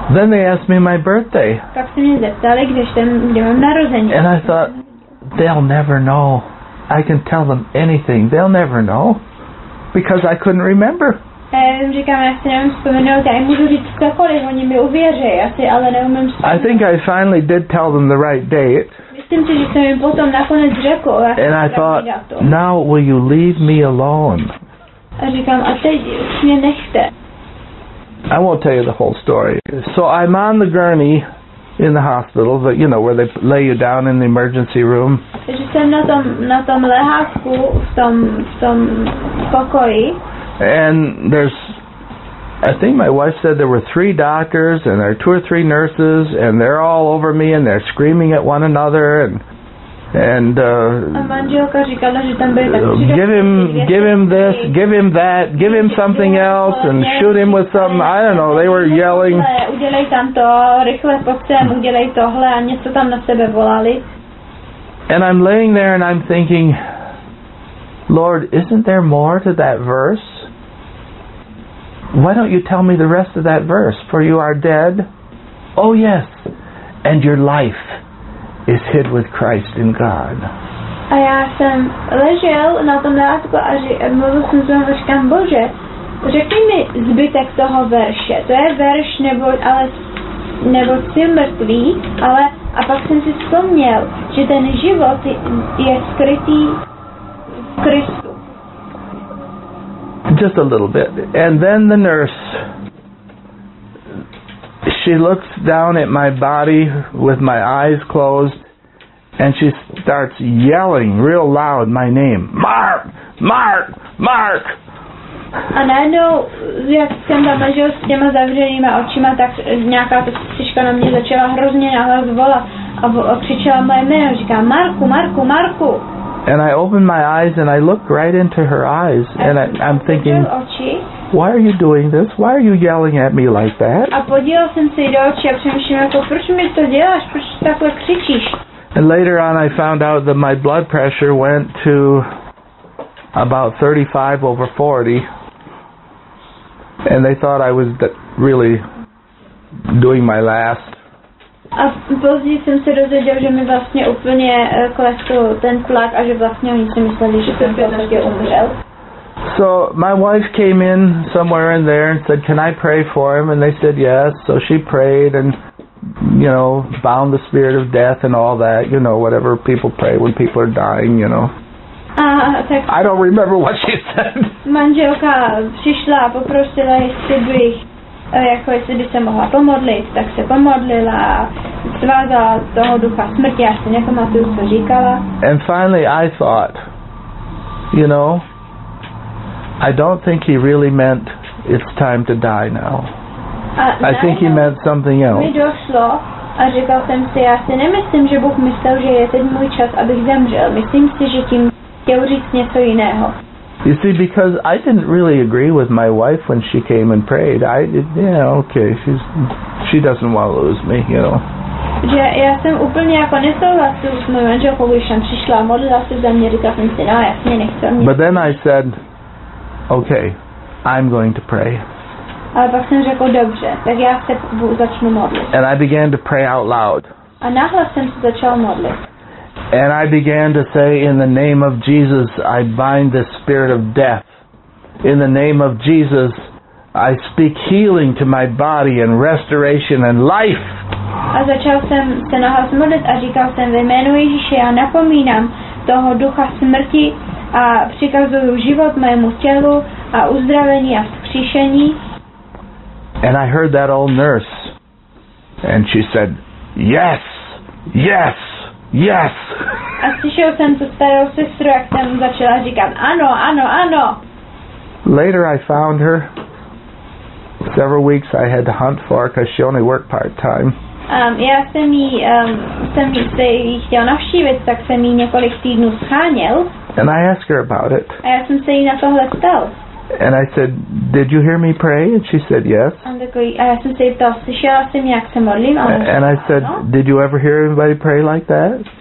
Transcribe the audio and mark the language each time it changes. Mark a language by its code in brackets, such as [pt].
[en] Then they asked me my birthday. [cs] Pak se mě zeptali, kde mám narozeniny. [en] And I thought, they'll never know. I can tell them anything. They'll never know. Because I couldn't remember. [cs] A já jim říkám, já si neumím vzpomenout, já jim můžu říct cokoliv, oni mi uvěří, já si ale neumím vzpomenout. [en] I think I finally did tell them the right date. [cs] Myslím si, že jsem jim potom nakonec řekl. [en] And I thought, now will you leave me alone? [cs] A říkám, a teď už mě nechte. [en] I won't tell you the whole story. So I'm on the gurney in the hospital, but you know, where they lay you down in the emergency room. [cs] Takže jsem na tom lehátku, v tom pokoji. [en] And there's, I think my wife said there were 3 doctors, and there are 2 or 3 nurses, and they're all over me, and they're screaming at one another, and give him this, give him that, give him something else, and shoot him with something. I don't know, they were yelling. [cs] Udělej tam to, rychle pocem, udělej tohle, a něco tam na sebe volali. [en] And I'm laying there and I'm thinking, Lord, isn't there more to that verse? Why don't you tell me the rest of that verse? For you are dead. Oh yes, and your life is hid with Christ in God. [cs] A já jsem ležel na tom látku a mluvil jsem s mnou, říkám, Bože, řekni mi zbytek toho verše. To je verš, nebo jsi mrtvý, ale a pak jsem si vzpomněl, že ten život je skrytý v Kristu. [en] Just a little bit. And then the nurse, she looks down at my body with my eyes closed, and she starts yelling real loud my name. Mark! Mark! Mark! And I know, [cs] jak jsem tam ležel s těma zavřenýma očima, tak nějaká ta sestřička na mě začala hrozně nahlas volat a křičela moje jméno. Říká, Marku, Marku, Marku! [en] And I opened my eyes and I looked right into her eyes and I'm thinking, why are you doing this? Why are you yelling at me like that? [cs] A podíval jsem se do očí a přemýšlím, jako, proč mi to děláš? Proč takhle křičíš? [en] And later on I found out that my blood pressure went to about 35 over 40. And they thought I was really doing my last. [cs] A později jsem se dozvěděl, že mi vlastně úplně klesl ten tlak a že vlastně oni si mysleli, že jsem prostě umřel. [en] So my wife came in somewhere in there and said, can I pray for him? And they said yes. So she prayed and, you know, bound the spirit of death and all that, you know, whatever people pray when people are dying, you know. [cs] Tak [en] I don't remember what she said. [cs] Manželka přišla a poprosila, jestli bych jako jestli by se mohla pomodlit, tak se pomodlila a svázala toho ducha smrti, já si nepamatuju, co říkala. [en] And finally I thought, you know, I don't think he really meant it's time to die now. I think he meant something else. [cs] Mi došlo a říkal jsem si, já si nemyslím, že Bůh myslel, že je teď můj čas, abych zemřel. Myslím si, že tím chtěl říct něco jiného. [en] You see, because I didn't really agree with my wife when she came and prayed. She doesn't want to lose me, you know. [cs] Že já jsem úplně jako nesouhlasil s mojí manželkou, když jsem přišla a modlila se za mě, říkal jsem si, no jasně, nechce mě. [en] But then I said, okay, I'm going to pray. [cs] Ale pak jsem řekl, dobře, tak já se začnu modlit. [en] And I began to pray out loud. [cs] A nahlas jsem se začal modlit. [en] And I began to say, in the name of Jesus, I bind the spirit of death. In the name of Jesus, I speak healing to my body and restoration and life. [cs] A začal jsem se nahlas modlit a říkal jsem, ve jménu Ježíše, já napomínám toho ducha smrti a přikazuju život mému tělu a uzdravení a vzkříšení. [en] And I heard that old nurse, and she said, yes, yes. Yes. [cs] A slyšel jsem tu starou sestru, jak jsem začala říkat, ano, ano, ano. [en] Later I found her. Several weeks I had to hunt for her because she only worked part-time. [cs] Já jsem jí chtěl navštívit, tak jsem jí několik týdnů scháněl. [en] And I asked her about it. [cs] A já jsem se jí na tohle ptal. [en] And I said, did you hear me pray? And she said, yes. And I said, did you ever hear anybody pray like that?